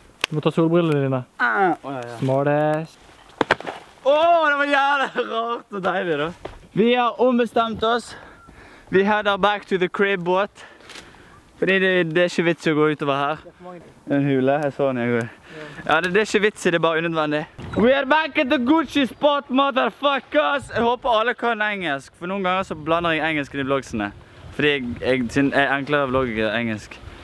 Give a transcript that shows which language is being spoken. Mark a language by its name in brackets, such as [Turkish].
[Norwegian] Du må ta solbrillene dine. Smartest. Åh, det var jævlig rart og deilig da. Vi har ombestemt oss. Vi headet [English] back to the crib [Norwegian] båt. Fordi det er ikke vits å gå utover her. En hule, jeg så den jeg går. Ja, det er ikke vits, det er bare unødvendig. [English] We are back at the Gucci spot, motherfuckers! [Norwegian] Jeg håper alle kan engelsk, for noen ganger så blander jeg engelsken i vloggsene. Fordi jeg enklere vlogger engelsk.